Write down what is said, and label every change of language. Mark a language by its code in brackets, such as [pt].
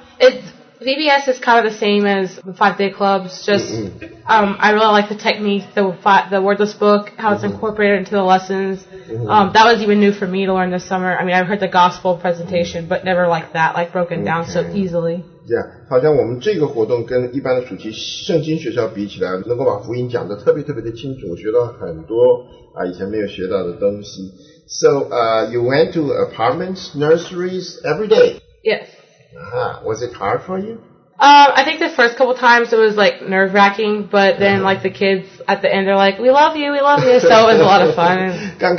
[en] VBS is kind of the same as the 5-day clubs. Just I really like the technique, the wordless book, how it's incorporated into the lessons. That was even new for me to learn this summer. I mean, I've heard the gospel presentation, but never like that, like broken down so easily. [zh] Yeah, 好像我们这个活动跟一般的暑期圣经学校比起来，能够把福音讲得特别特别的清楚，我学到很多以前没有学到的东西. [en] So you went to apartments, nurseries every day. Yes. Was it hard for you? I think the first couple times it was like nerve-wracking, but then like the kids at the end, they're like, we love you, we love you, so it was a lot of fun.